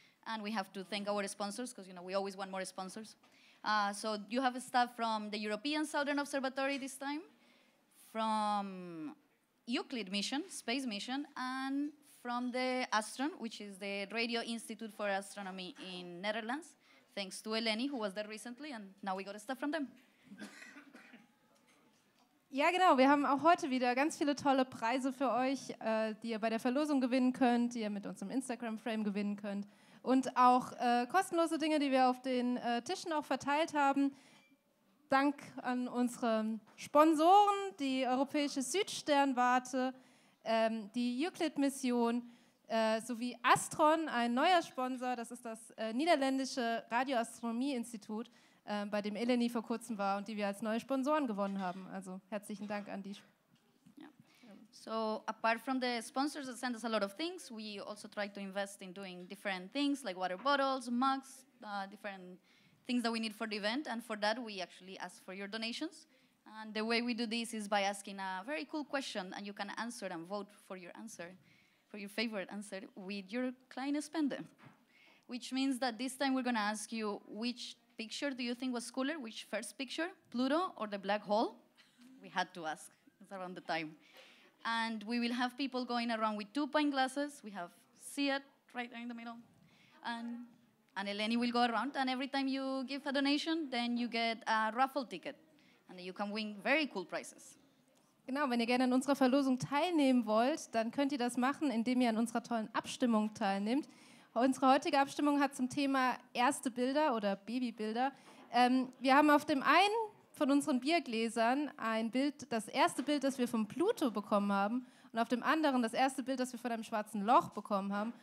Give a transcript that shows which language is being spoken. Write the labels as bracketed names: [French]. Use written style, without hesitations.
[English] And we have to thank our sponsors because, you know, we always want more sponsors. So you have staff from the European Southern Observatory this time, from Euclid mission, space mission, and from the ASTRON, which is the Radio Institute for Astronomy in Netherlands. Thanks to Eleni, who was there recently, and now we got stuff from them. [German] Ja, genau. Wir haben auch heute wieder ganz viele tolle Preise für euch, die ihr bei der Verlosung gewinnen könnt, die ihr mit uns im Instagram-Frame gewinnen könnt. Und auch kostenlose Dinge, die wir auf den Tischen auch verteilt haben. Dank an unsere Sponsoren, die Europäische Südsternwarte, die Euclid-Mission, sowie Astron, ein neuer Sponsor. Das ist das niederländische Radioastronomie-Institut, bei dem Eleni vor kurzem war und die wir als neue Sponsoren gewonnen haben. Also herzlichen Dank an die. [English] Yeah. So apart from the sponsors that send us a lot of things, we also try to invest in doing different things like water bottles, mugs, different things that we need for the event. And for that, we actually ask for your donations. And the way we do this is by asking a very cool question, and you can answer and vote for your answer, for your favorite answer, with your [German] kleinest spender. [English] Which means that this time we're going to ask you which picture do you think was cooler? Which first picture, Pluto or the black hole? We had to ask, it's around the time. And we will have people going around with 2-pint glasses. We have Seat right there in the middle. And Eleni will go around, and every time you give a donation, then you get a raffle ticket. And you can win very cool prizes. [German] Genau, wenn ihr gerne an unserer Verlosung teilnehmen wollt, dann könnt ihr das machen, indem ihr an unserer tollen Abstimmung teilnehmt. Unsere heutige Abstimmung hat zum Thema erste Bilder oder Babybilder. Wir haben auf dem einen von unseren Biergläsern ein Bild, das erste Bild, das wir vom Pluto bekommen haben, und auf dem anderen das erste Bild, das wir von einem schwarzen Loch bekommen haben.